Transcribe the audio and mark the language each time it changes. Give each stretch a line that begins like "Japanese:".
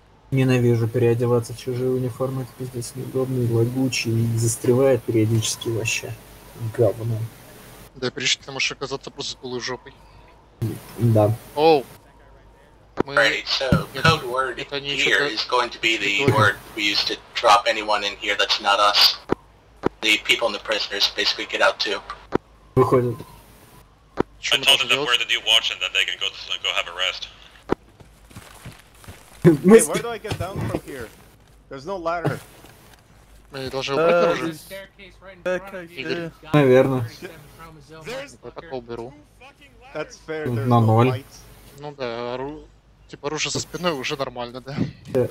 Russian: Ненавижу переодеваться в чужие униформы, это пиздец неудобный, лагучий и застревает периодически вообще. Говно. Да прежде ты можешь оказаться просто голой жопой. Да. Оу!
English: Alright, so code word here is going to be the word we use to drop anyone in here that's not us. The people and the prisoners basically get out too.
Russian: Выходит.
English: I told them that we're the new watch and that they can go to, go have a rest. Hey, where do I get down from here? There's no ladder.
Russian: Мы должны убрать оружие.
English: There's a staircase right in front of you.
Russian: Наверно. Протокол беру.
English: That's fair, there's no lights.
Russian: Ну да, типа оружие со спиной уже нормально, да?